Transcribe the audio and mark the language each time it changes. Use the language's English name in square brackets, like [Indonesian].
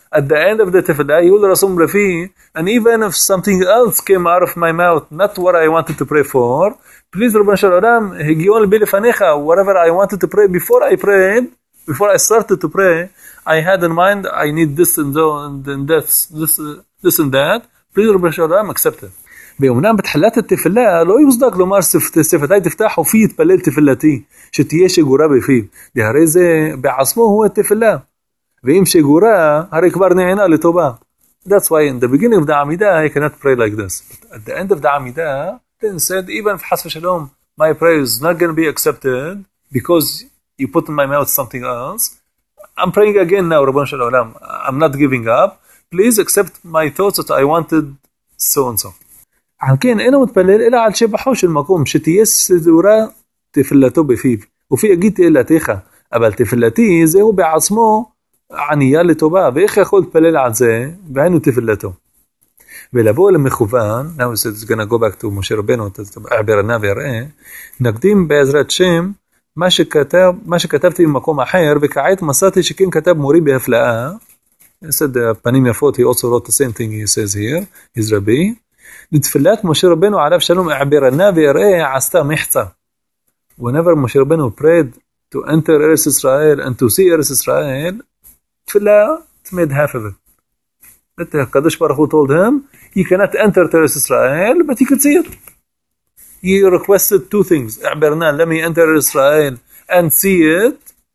[English] at the end of the tefillah, you will rasum rafi, and even if something else came out of my mouth, not what I wanted to pray for, please, Rabban Shalom, [Hebrew] higyon bilifanecha, [English] whatever I wanted to pray before I prayed, before I started to pray, I had in mind, I need this and this and that, please, Rabban Shalom, accept it. [Hebrew] באומנם בתחילת התפילה לא יוצדק לומר שפתי תפתח ופי יתפלל תפילתי שתהיה שגורה בפיו. והרי זה בעצמו הוא התפילה. ואם שגורה, הרי כבר נענה לטובה. [English] That's why in the beginning of the Amidah I cannot pray like this. But at the end of the Amidah, then said, even if חס ושלום, my prayer is not going to be accepted because you put in my mouth something else, I'm praying again now, [Hebrew] רבון של העולם. [English] I'm not giving up. Please accept my thoughts that I wanted so and so. [Hebrew] על כן אינו מתפלל אלא על שבחו של מקום שתהיה סדורה תפלתו בפיו ופי יגיד תהלתיך אבל תפלתי זהו בעצמו ענייה לטובה ואיך יכול להתפלל על זה והיינו תפלתו ולבוא למכוון [English] now we said it's going to go back to [Hebrew] משה רבנו עברנה ויראה נקדים בעזרת שם מה שכתבתי במקום אחר וכעת מסעתי שכן כתב מורי בהפלאה he said פנים יפות [English] he also wrote the same thing he says here he's [Hebrew] רבי לתפילת משה רבנו עליו שלום עברנה ויראה עשתה מחצה. [English] Whenever משה רבנו prayed to enter ארץ ישראל and to see ארץ ישראל, תפילה made half of it. הקדוש ברוך הוא told him, he cannot enter ארץ ישראל, but he could see it. He requested two things. עברנה, let me enter ארץ ישראל and see it.